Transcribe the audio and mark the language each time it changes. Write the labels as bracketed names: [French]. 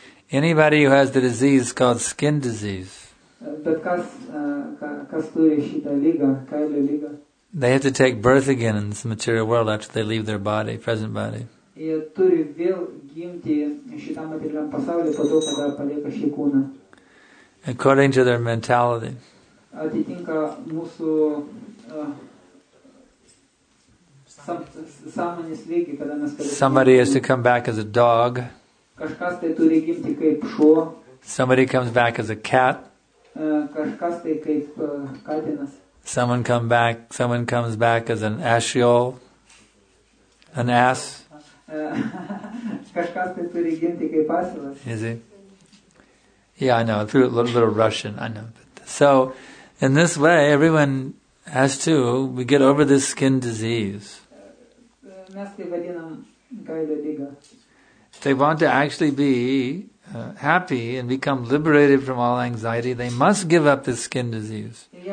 [English] Anybody who has the disease is called skin disease. They have to take birth again in this material world after they leave their body, present body. [Lithuanian] Gimti, pasaulyje, po to, kada palieka šį kūną. [English] according to their mentality. [Lithuanian] Atitinka mūsu sąmonės lygį, kada mes kalbame. [English] Somebody has to come back as a dog. [Lithuanian] Kažkas tai turi gimti kaip šuo. [English] Somebody comes back as a cat. [Lithuanian] Kažkas tai kaip katinas. [English] Someone comes back as an ashiol, an ass. [Lithuanian] Kažkas tai turi gimti kaip asilas. [English] Is it? Yeah, I know, through a little Russian, I know. So, in this way, everyone has to, we get over this skin disease. If they want to actually be happy and become liberated from all anxiety, they must give up this skin disease.